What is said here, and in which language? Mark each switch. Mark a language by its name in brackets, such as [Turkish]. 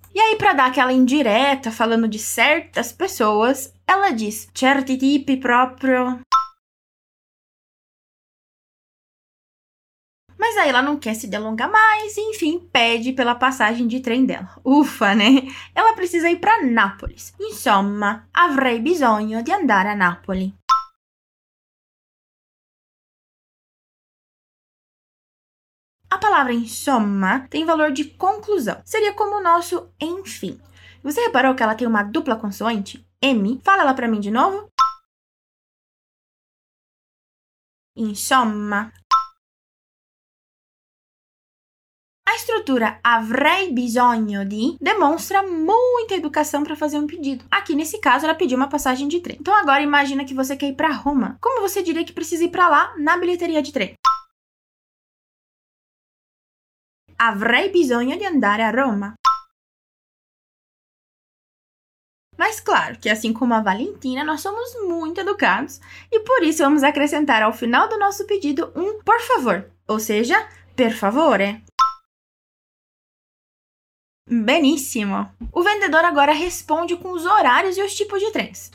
[Portuguese] E aí, para dar aquela indireta, falando de certas pessoas, ela diz, [Italian] certi tipi proprio. [Portuguese] Mas aí ela não quer se delongar mais, e enfim, pede pela passagem de trem dela. Ufa, né? Ela precisa ir para Nápoles. [Italian] Insomma, avrei bisogno di andare a Napoli. [Portuguese] A palavra insomma tem valor de conclusão. Seria como o nosso enfim. Você reparou que ela tem uma dupla consoante? M. Fala ela pra mim de novo. [Italian] Insomma. [Portuguese] A estrutura [Italian] avrei bisogno di [Portuguese] demonstra muita educação para fazer um pedido. Aqui, nesse caso, ela pediu uma passagem de trem. Então, agora, imagina que você quer ir para Roma. Como você diria que precisa ir para lá na bilheteria de trem? [Italian] Avrei bisogno di andare a Roma. [Portuguese] Mas claro que assim como a Valentina, nós somos muito educados e por isso vamos acrescentar ao final do nosso pedido um por favor, ou seja, per favore. Benissimo! O vendedor agora responde com os horários e os tipos de trens.